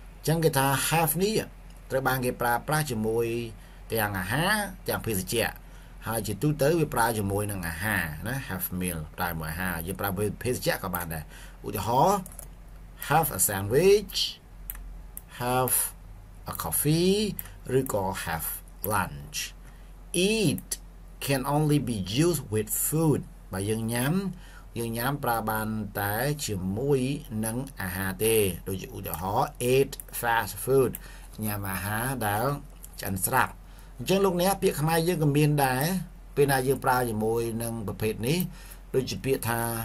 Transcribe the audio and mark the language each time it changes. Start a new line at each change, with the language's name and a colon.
Khmer: ចង្កថា have នេះត្រូវបានគេប្រើប្រាស់ជាមួយទាំងអាហារទាំងភេសជ្ជៈហើយជាទូទៅវាប្រើជាមួយនឹងអាហារណា
English: have meal
Khmer: ប្រើជាមួយអាហារយើងប្រើភេសជ្ជៈក៏បានដែរឧទាហរណ៍
English: have a sandwich have a coffee
Khmer: ឬក៏
English: have lunch. Eat can only be used with food.
Khmer: បើយើងញ៉ាំយើងញ៉ាំប្រើបានតែជាមួយនឹងអាហារទេដូចជាឧទាហរណ៍
English: eat fast food
Khmer: ញ៉ាំអាហារដែលឆ្អិនស្រាប់អញ្ចឹងលោកអ្នកពាក្យខ្មែរយើងក៏មានដែរពេលណាយើងប្រើជាមួយនឹងប្រភេទនេះដូចជាពាក្យថា